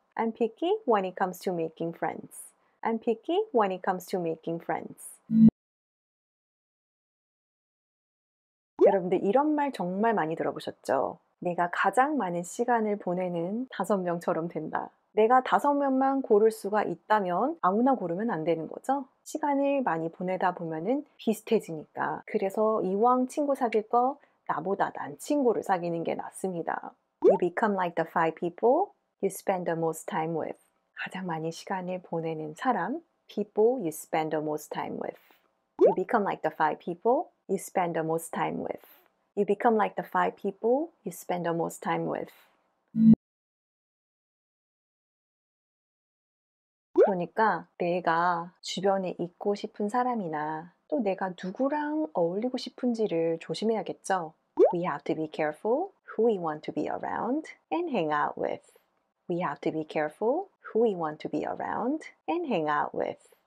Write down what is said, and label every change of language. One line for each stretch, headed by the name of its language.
English: I'm picky when it comes to making friends. I'm picky when it comes to making friends.
Korean: 여러분들 이런 말 정말 많이 들어보셨죠? 내가 가장 많은 시간을 보내는 다섯 명처럼 된다. 내가 다섯 명만 고를 수가 있다면 아무나 고르면 안 되는 거죠. 시간을 많이 보내다 보면은 비슷해지니까 그래서 이왕 친구 사귈 거 나보다 난 친구를 사귀는 게 낫습니다.
English: You become like the five people you spend the most time with.
Korean: 가장 많이 시간을 보내는 사람,
English: people you spend the most time with. You become like the five people you spend the most time with. You become like the five people you spend the most time with.
Korean: 그러니까 내가 주변에 있고 싶은 사람이나 또 내가 누구랑 어울리고 싶은지를 조심해야겠죠.
English: We have to be careful who we want to be around and hang out with. We have to be careful who we want to be around and hang out with.